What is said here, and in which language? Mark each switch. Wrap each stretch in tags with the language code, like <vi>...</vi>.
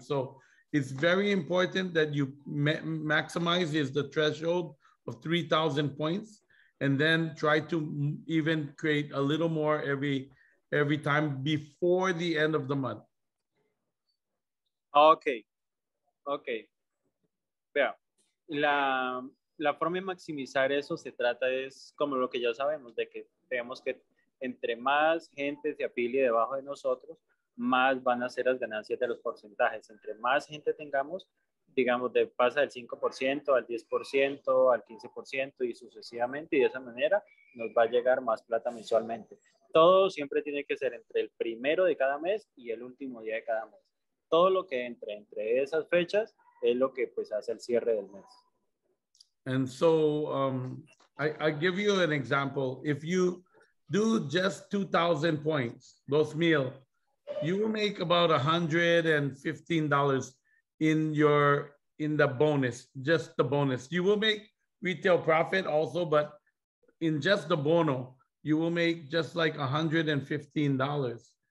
<en>So it's very important that you maximize the threshold of 3,000 points and then try to even create a little more every time before the end of the month. Okay.</en> <es>Vea, la forma de maximizar eso se trata es como lo que ya sabemos, de que tenemos que entre más gente se apile debajo de nosotros, más van a ser las ganancias de los porcentajes. Entre más gente tengamos, digamos, pasa del 5% al 10%, al 15% y sucesivamente, y de esa manera nos va a llegar más plata mensualmente. Todo siempre tiene que ser entre el primero de cada mes y el último día de cada mes. Todo lo que entre esas fechas es lo que pues hace el cierre del mes.</es> <en>And so I give you an example. If you do just 2,000 points, 2,000, you will make about $115 in the bonus, just the bonus. You will make retail profit also, but in just the bono, you will make just like $115.</en>